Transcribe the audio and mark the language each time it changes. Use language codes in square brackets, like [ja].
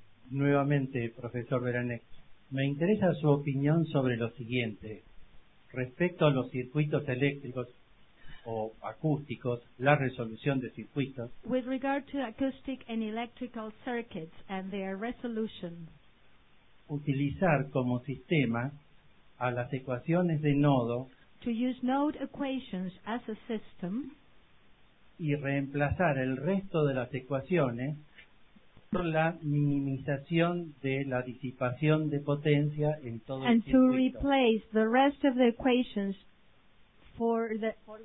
[es] Nuevamente, profesor Veranek, me interesa su opinión sobre lo siguiente. Respecto a los circuitos eléctricos o acústicos, la resolución de circuitos. [en] With regard to acoustic and electrical circuits and their resolution. [es] Utilizar como sistema a las ecuaciones de nodo. [en] To use node equations as a system. [es] Y reemplazar el resto de las ecuaciones por la minimización de la disipación de potencia en todo [en] and [es] el circuito. [en] And to replace the rest of the equations for the